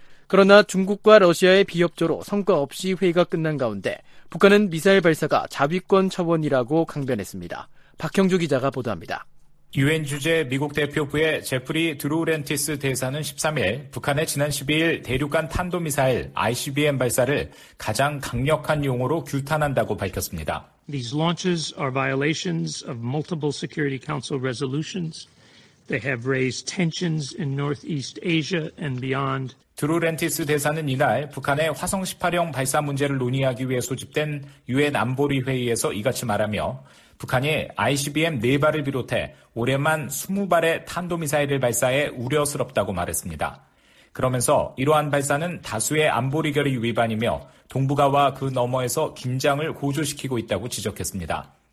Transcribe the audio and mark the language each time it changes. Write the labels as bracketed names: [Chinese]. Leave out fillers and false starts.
[Korean] 그러나 중국과 러시아의 비협조로 성과 없이 회의가 끝난 가운데 북한은 미사일 발사가 자위권 차원이라고 강변했습니다. 박형주 기자가 보도합니다. 유엔 주재 미국 대표부의 제프리 드루렌티스 대사는 13일 북한의 지난 12일 대륙간 탄도미사일 ICBM 발사를 가장 강력한 용어로 규탄한다고 밝혔습니다. [English] These launches are violations of multiple Security Council resolutions. They have raised tensions in Northeast Asia and beyond. [Korean] 드루렌티스 대사는 이날 북한의 화성 18형 발사 문제를 논의하기 위해 소집된 유엔 안보리 회의에서 이같이 말하며 북한이 ICBM 4발을 비롯해 올해만 20발의 탄도미사일을 발사해 우려스럽다고 말했습니다. 그러면서 이러한 발사는 다수의 안보리 결의 위반이며 동북아와 그 너머에서 긴장을 고조시키고 있다고 지적했습니다.